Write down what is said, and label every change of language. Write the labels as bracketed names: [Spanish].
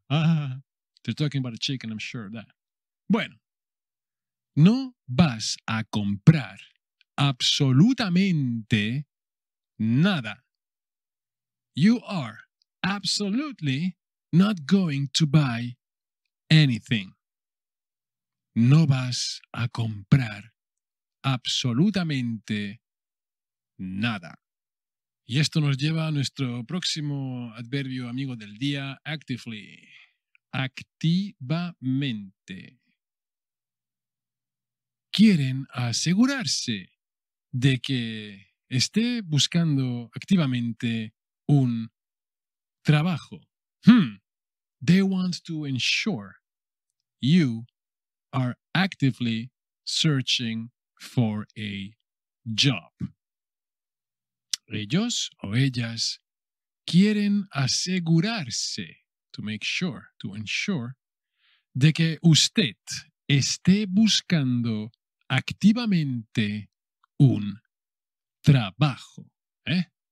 [English] Ah, they're talking about a chicken, I'm sure of that. [Spanish] Bueno, no vas a comprar absolutamente nada. [English] You are absolutely not going to buy anything. [Spanish] No vas a comprar absolutamente nada. Y esto nos lleva a nuestro próximo adverbio amigo del día, actively. Activamente. Quieren asegurarse de que esté buscando activamente un trabajo. They want to ensure you are actively searching for a job. Ellos o ellas quieren asegurarse, [English] to make sure, to ensure, [Spanish] de que usted esté buscando activamente un trabajo, ¿eh?